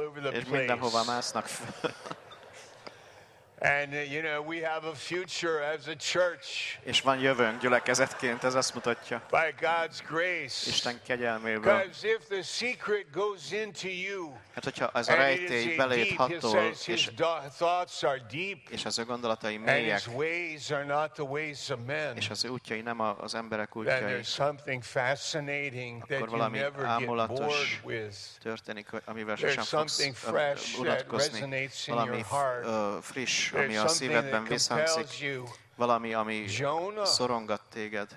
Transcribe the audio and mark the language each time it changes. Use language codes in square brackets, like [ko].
[hu] és mindenhova másznak fel. [en] And you know we have a future as a church. [hu] És van jövőnk gyülekezetként, ez azt mutatja. [en] By God's grace. [hu] Isten kegyelmével. [en] Because if the secret goes into you. [hu] Hát hogyha ez a rejtély beléd hatol, [en] his thoughts are deep. [hu] És az ő gondolatai mélyek. [en] And his ways are not the ways of men. [hu] És az ő útjai nem az emberek útjai. [en] Then there's something fascinating that you never get bored with. [hu] Akkor valami ámulatos történik, amivel sosem fogsz unatkozni. Valami friss, ami a szívedben visszhangzik, valami, ami szorongat téged.